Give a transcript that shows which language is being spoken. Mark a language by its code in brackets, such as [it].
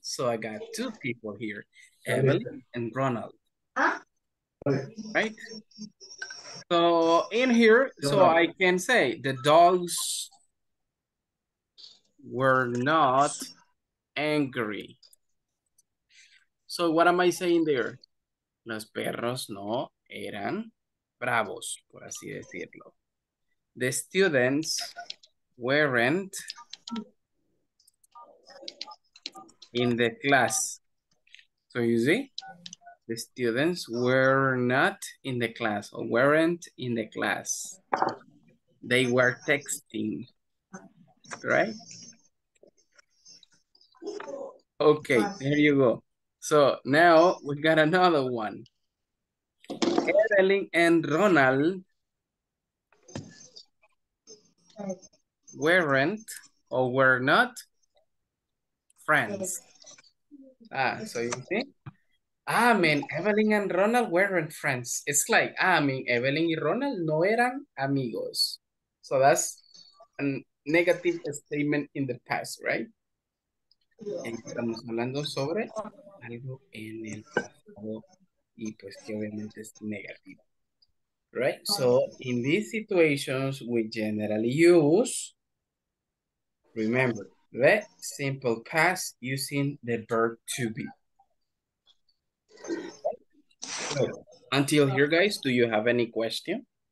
[en] So I got two people here. Evelyn and Ronald. Right? So in here, so I can say the dogs were not angry. So what am I saying there? [es] Los perros no eran bravos, por así decirlo. [en] The students weren't in the class. So you see, the students were not in the class or weren't in the class. They were texting, right? Okay, there you go. So now we got another one. Evelyn and Ronald weren't or were not friends. Ah, so you see? Ah, I mean, Evelyn and Ronald weren't friends. It's like, ah, I mean, [es] Evelyn y Ronald no eran amigos. [en] So that's a negative statement in the past, right? Yeah. [es] Estamos hablando sobre algo en el pasado y pues que obviamente es negativo, right? [en] So in these situations, we generally use, remember, the simple past using the verb to be. Until here, guys, do you have any question?